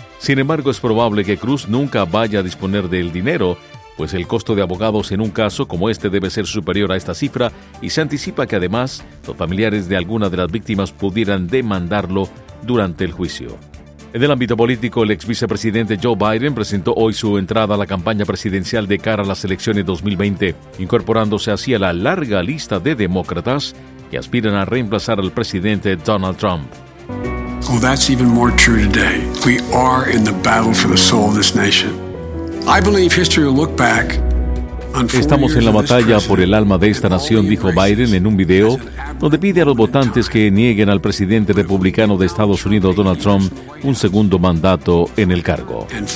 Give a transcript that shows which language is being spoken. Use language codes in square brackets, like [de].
[es] Sin embargo, es probable que Cruz nunca vaya a disponer del dinero, pues el costo de abogados en un caso como este debe ser superior a esta cifra, y se anticipa que además los familiares de alguna de las víctimas pudieran demandarlo durante el juicio. En el ámbito político, el ex vicepresidente Joe Biden presentó hoy su entrada a la campaña presidencial de cara a las elecciones 2020, incorporándose así a la larga lista de demócratas que aspiran a reemplazar al presidente Donald Trump. [en] Well, that's even more true today. We are in the battle for the soul of this nation. I believe history will look back. [es] Estamos en la batalla por el alma de esta nación, dijo Biden en un video donde pide a los votantes que nieguen al presidente republicano de Estados Unidos, Donald Trump, un segundo mandato en el cargo.